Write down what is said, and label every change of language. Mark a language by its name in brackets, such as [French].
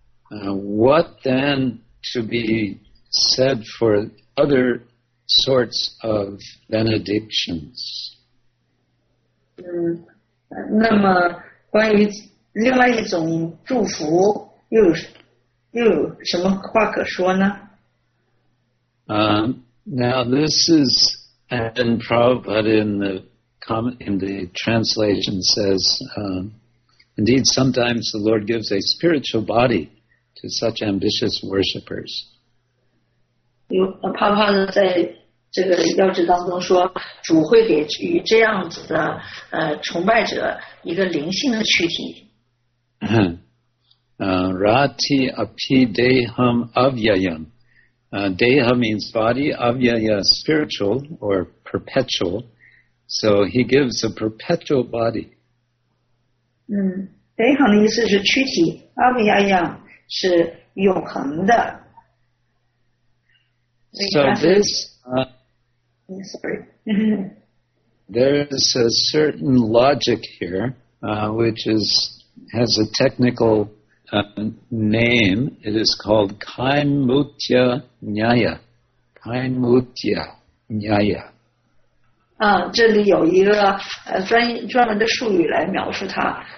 [English] What then to be said for other sorts of benedictions? [Chinese] 那么关于另外一种祝福又有什么话可说呢？ [English] Now this is, and Prabhupada in the translation says, indeed sometimes the Lord gives a spiritual body to such ambitious worshippers. [Chinese] 帕在这个要旨当中说，主会给予这样子的崇拜者一个灵性的躯体。 [Sanskrit] Rati api deham avyayam. [English] Deha means body, avyaya spiritual or perpetual. So he gives a perpetual body. [Chinese] Deha 的意思是躯体， avyayam 是永恒的。 [English] So this. Sorry. There is a certain logic here, which has a technical name. It is called Kaimutya Nyaya. Kaimutya Nyaya. [Chinese] 这里有一个专门的术语来描述它。